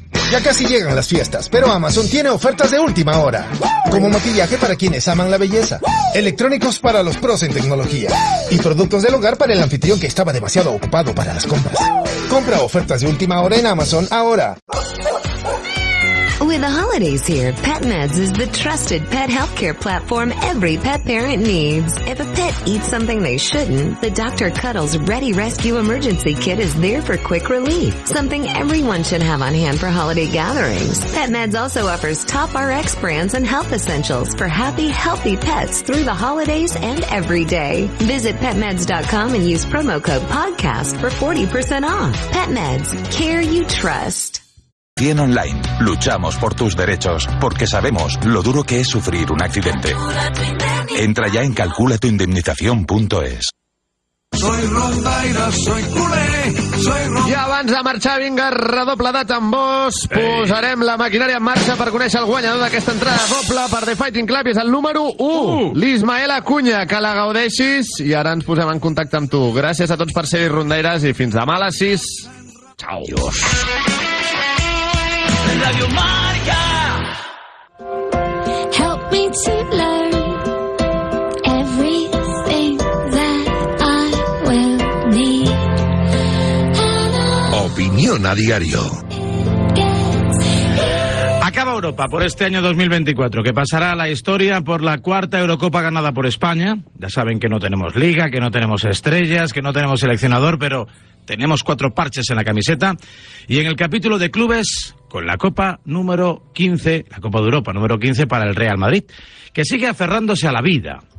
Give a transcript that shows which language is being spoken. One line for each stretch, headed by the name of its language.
Spanish: Ya casi llegan las fiestas, pero Amazon tiene ofertas de última hora. Como maquillaje para quienes aman la belleza, electrónicos para los pros en tecnología y productos del hogar para el anfitrión que estaba demasiado ocupado para las compras. Compra ofertas de última hora en Amazon ahora.
English: With the holidays here, PetMeds is the trusted pet healthcare platform every pet parent needs. If a pet eats something they shouldn't, the Dr. Cuddles Ready Rescue Emergency Kit is there for quick relief, something everyone should have on hand for holiday gatherings. PetMeds also offers top RX brands and health essentials for happy, healthy pets through the holidays and every day. Visit PetMeds.com and use promo code PODCAST for 40% off. PetMeds, care you trust.
Spanish: Bien Online. Luchamos por tus derechos, porque sabemos lo duro que es sufrir un accidente. Entra ya en calculatuindemnizacion.es. Soy rondaira, soy culé, soy rondaira.
Catalan: I abans de marxar, vinga, redoble de tambors. Ei. Posarem la maquinària en marxa per conèixer el guanyador d'aquesta entrada doble per The Fighting Club, i és el número 1, l'Ismael Acuña. Que la gaudeixis, i ara ens posem en contacte amb tu. Gràcies a tots per ser-hi, rondaires, i fins demà a les 6.
Italian: Ciao.
Spanish: Adiós.
English: Help me to learn everything that I will need.
Spanish: Opinión a diario. Acaba Europa por este año 2024, que pasará a la historia por la cuarta Eurocopa ganada por España. Ya saben que no tenemos liga, que no tenemos estrellas, que no tenemos seleccionador, pero tenemos cuatro parches en la camiseta. Y en el capítulo de clubes, con la Copa número 15, la Copa de Europa número 15 para el Real Madrid, que sigue aferrándose a la vida.